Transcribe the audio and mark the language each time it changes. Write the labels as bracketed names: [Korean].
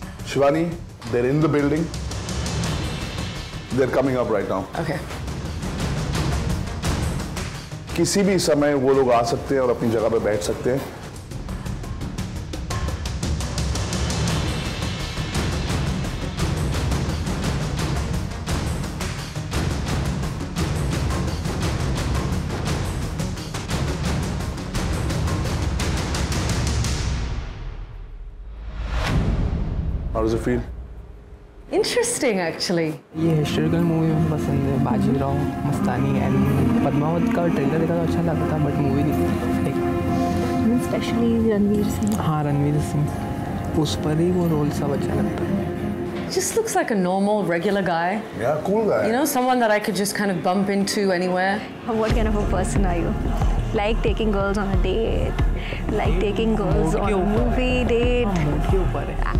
[English] Shivani, they're in the building. They're coming up right now. Okay. [Hindi] किसी भी समय वो लोग आ सकते हैं और अपनी जगह पे बैठ सकते हैं. [English] How does it feel? Interesting, actually. [Hindi] ये historical movie में पसंद है, बाजीराव, मस्तानी and पद्मावत का trailer देखा तो अच्छा लगता था, [English] but [Hindi] movie नहीं. [English] Especially Ranveer Singh. [Hindi] हाँ, रणवीर सिंह. उस पर ही वो role सब अच्छा लगता है. [English] Just looks like a normal, regular guy. Yeah, cool guy. You know, someone that I could just kind of bump into anywhere. What kind of a person are you? Like taking girls on a date, like taking girls on a movie date.